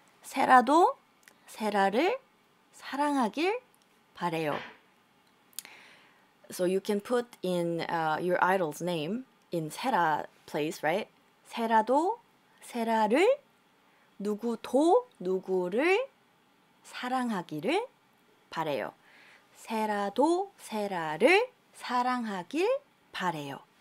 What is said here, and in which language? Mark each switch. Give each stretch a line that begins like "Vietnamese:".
Korean: 세라도 세라를 사랑하길 바래요.
English: So you can put in your idol's name in 세라 place, right?
Korean: 세라도 세라를 누구도 누구를 사랑하기를 바래요. 세라도 세라를 사랑하길 바래요.